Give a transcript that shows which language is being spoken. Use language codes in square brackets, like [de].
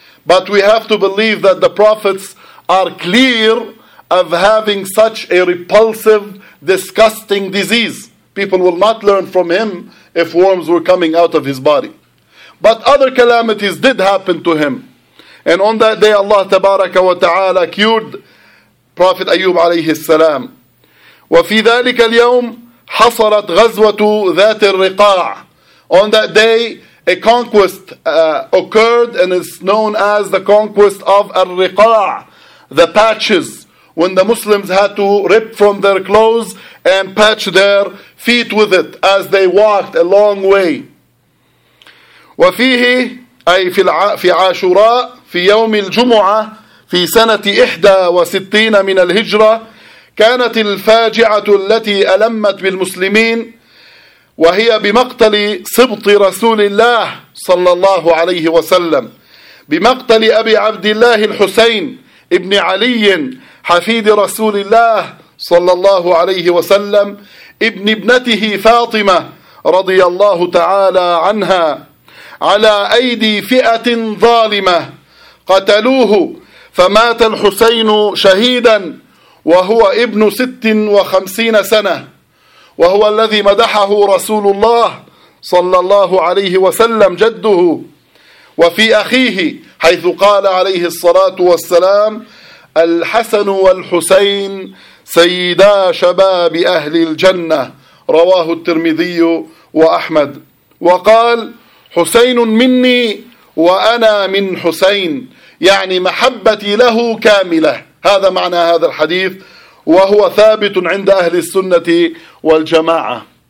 [en] But we have to believe that the prophets are clear of having such a repulsive, disgusting disease. People will not learn from him if worms were coming out of his body. But other calamities did happen to him. And on that day, Allah [ar] Tabaraka wa Ta'ala [en] cured Prophet Ayyub [ar] alayhi salam. وفي ذلك اليوم حصلت غزوة ذات الرقاع. [en] On that day, a conquest occurred, and it's known as the conquest of Al-Riqa', the patches, when the Muslims had to rip from their clothes and patch their feet with it as they walked a long way. [ar] وفيه أي في عاشوراء في يوم الجمعة في سنة 61 من الهجرة كانت الفاجعة التي ألمت بالمسلمين وهي بمقتل سبط رسول الله صلى الله عليه وسلم بمقتل أبي عبد الله الحسين ابن علي حفيد رسول الله صلى الله عليه وسلم ابن ابنته فاطمة رضي الله تعالى عنها على أيدي فئة ظالمة قتلوه فمات الحسين شهيدا وهو ابن 56 سنة وهو الذي مدحه رسول الله صلى الله عليه وسلم جده وفي أخيه حيث قال عليه الصلاة والسلام الحسن والحسين سيدا شباب أهل الجنة رواه الترمذي وأحمد وقال حسين مني وأنا من حسين يعني محبتي له كاملة هذا معنى هذا الحديث وهو ثابت عند أهل السنة والجماعة